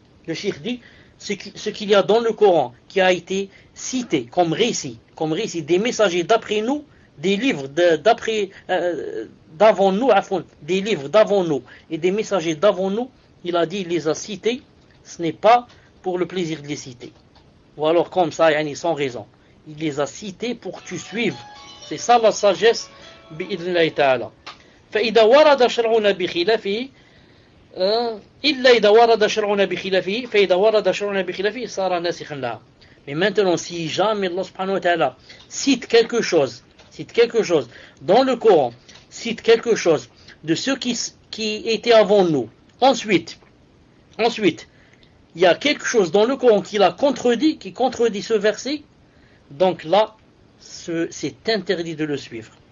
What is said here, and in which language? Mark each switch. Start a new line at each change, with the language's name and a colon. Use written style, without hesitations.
French: Le cheikh dit, ce qu'il y a dans le Coran qui a été cité comme récit des messagers d'après nous, des livres d'après d'avant nous, des livres d'avant nous et des messagers d'avant nous, il a dit, il les a cités, ce n'est pas pour le plaisir de les citer. Ou alors comme ça, yani sans raison. Il les a cités pour que tu suives. C'est ça la sagesse,
Arabic: bi'idhnillahi ta'ala. Fa'idha warada shar'una bi khilafi. إلا إذا ورد شرعنا بخلافه فإذا ورد شرعنا بخلافه صار ناسخا لها.
French: Mais maintenant, si jamais Allah
Arabic: subhanahu wa ta'ala
French: cite quelque chose dans le Coran, cite quelque chose de ceux qui étaient avant nous, ensuite, il y a quelque chose dans le Coran qui l'a contredit, qui contredit ce verset, donc là, c'est interdit de le suivre.